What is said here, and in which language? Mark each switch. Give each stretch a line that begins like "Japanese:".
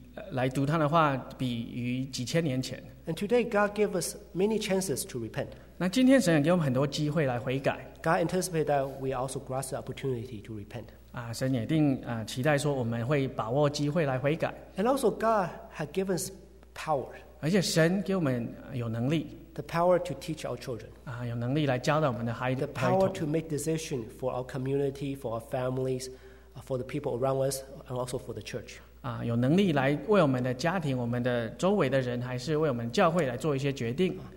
Chinese: 所以今天神一定会期待我们更多的人能够有办法来读他的话，比于几千年前。
English: And today God gave us many chances to repent.
Chinese: 那今天神也给我们很多机会来悔改。
English: God anticipates that we also grasp the opportunity to repent.
Chinese: 神也一定期待说我们会把握机会来悔改。
English: And also God has given us power.
Chinese: 而且神给我们有能力。
English: The power to teach our children.
Chinese: 有能力来教导我们的孩子。
English: The power to make decisions for our community, for our families, for the people around us, and also for the church.
Chinese: 有能力来为我们的家庭，我们的周围的人，还是为我们教会来做一些决定。